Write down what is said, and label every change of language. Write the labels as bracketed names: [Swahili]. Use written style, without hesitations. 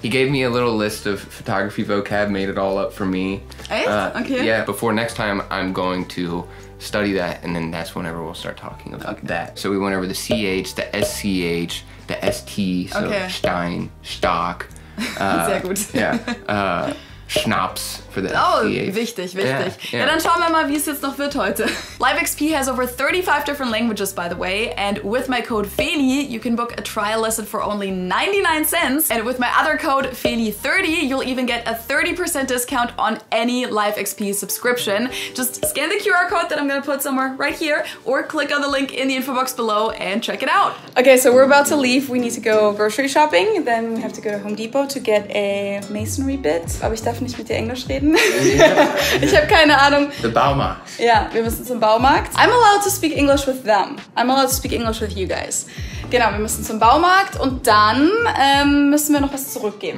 [English] He gave me a little list of photography vocab, made it all up for me. Okay. Yeah, before next time, I'm going to study that, and then that's whenever we'll start talking about that. So we went over the CH, the SCH, the ST, so Stein, Stock. [German] Sehr gut. [English] Yeah. Schnaps for the [German] wichtig. [English] Yeah, yeah. [German] Ja, dann schauen wir mal, wie es jetzt noch wird heute. [English] Live XP has over 35 different languages, by the way, and with my code Feli, you can book a trial lesson for only 99 cents. And with my other code Feli30, you'll even get a 30% discount on any Live XP subscription. Just scan the QR code that I'm gonna put somewhere right here, or click on the link in the info box below and check it out. Okay, so we're about to leave. We need to go grocery shopping, then we have to go to Home Depot to get a masonry bit. [German] Ich darf nicht mit dir Englisch reden. Ich habe keine Ahnung. [English] The Baumarkt. [German] Ja, wir müssen zum Baumarkt. [English] I'm allowed to speak English with them. I'm allowed to speak English with you guys. [German] Genau, wir müssen zum Baumarkt und dann müssen wir noch was zurückgeben.